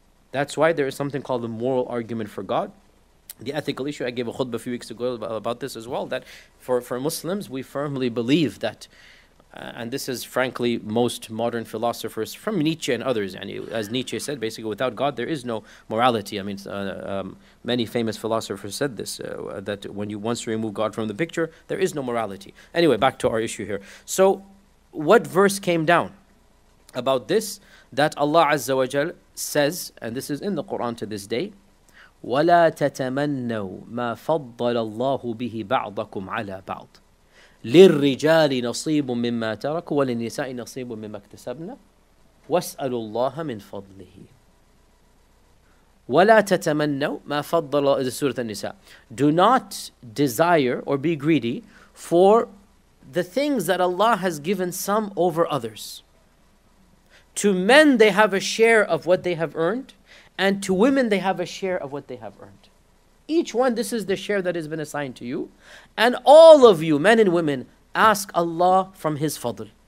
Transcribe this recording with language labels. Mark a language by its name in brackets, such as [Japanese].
[English] That's why there is something called the moral argument for God. The ethical issue, I gave a khutbah a few weeks ago about this as well, that for Muslims, we firmly believe that, and this is frankly most modern philosophers from Nietzsche and others, and as Nietzsche said, basically without God, there is no morality. I mean, many famous philosophers said this, that when you once remove God from the picture, there is no morality. Anyway, back to our issue here. So what verse came down about this, that Allah Azza wa Jal says, and this is in the Quran to this day, [Arabic] وَلَا تَتَمَنَّوْا مَا فَضَّلَ اللَّهُ بِهِ بَعْضَكُمْ عَلَىٰ بَعْضٍ لِلرِّجَالِ نَصِيبٌ مِمَّا تَرَكُوا وَلِلنِّسَاءِ نَصِيبٌ مِمَّا اكْتَسَبْنَا وَاسْأَلُوا اللَّهَ مِنْ فَضْلِهِ وَلَا تَتَمَنَّوْا مَا فَضَّلَ اللَّهُ سورة النساء. [English] Do not desire or be greedy for the things that Allah has given some over others. To men they have a share of what they have earned, and to women, they have a share of what they have earned. Each one, this is the share that has been assigned to you. And all of you, men and women, ask Allah from His fadl.